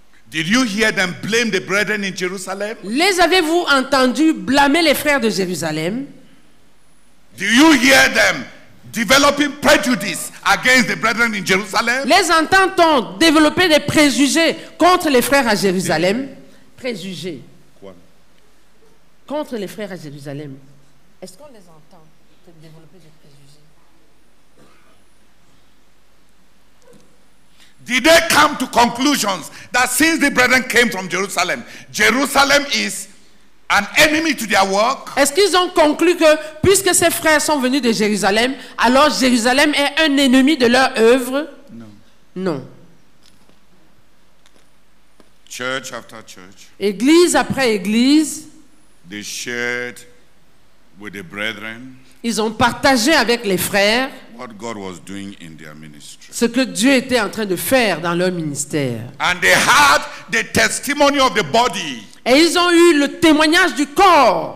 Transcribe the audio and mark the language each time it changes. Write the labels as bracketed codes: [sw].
[en] Did you hear them blame the brethren in Jerusalem? [fr] Les avez-vous entendu blâmer les frères de Jérusalem? [en] Do you hear them developing prejudice against the brethren in Jerusalem? [fr] Les entend-on développer des préjugés contre les frères à Jérusalem? Préjugés. Quoi? Contre les frères à Jérusalem. Est-ce qu'on les entend développer des préjugés? [en] Did they come to conclusions that since the brethren came from Jerusalem, Jerusalem is an enemy to their work? [fr] Est-ce qu'ils ont conclu que puisque ces frères sont venus de Jérusalem, alors Jérusalem est un ennemi de leur œuvre? Non. [en] Church after church. [fr] Église après église. [en] They shared with the brethren. [fr] Ils ont partagé avec les frères. [en] What God was doing in their ministry. [fr] Ce que Dieu était en train de faire dans leur ministère. [en] And they had the testimony of the body. [fr] Et ils ont eu le témoignage du corps.